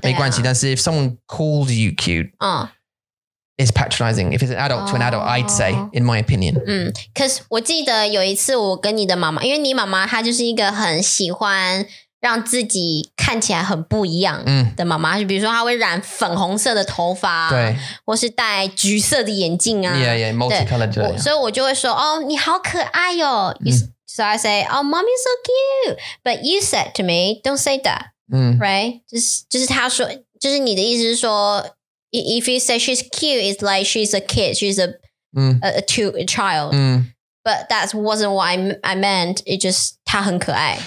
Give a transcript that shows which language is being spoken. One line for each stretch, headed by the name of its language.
Chinese: 没关系。但是
English: if someone called you cute, it's patronizing. If it's an adult to an adult, I'd say, in my opinion.
Chinese: 嗯，可是我记得有一次我跟你的妈妈，因为你妈妈她就是一个很喜欢。让自己看起来很不一样的妈妈，就比如说她会染粉红色的头发、啊，对，或是戴橘色的眼镜啊，
English: yeah, multicolored
Chinese: 对，所以我就会说哦，你好可爱哟、哦。
English: So I say, oh, mommy's so cute. But you said to me, don't say that. Right?
Chinese: 就是她说，就是你的意思是说
English: ，if you say she's cute, it's like she's a kid, she's a child. But that wasn't what I meant. It just
Chinese: 他很可爱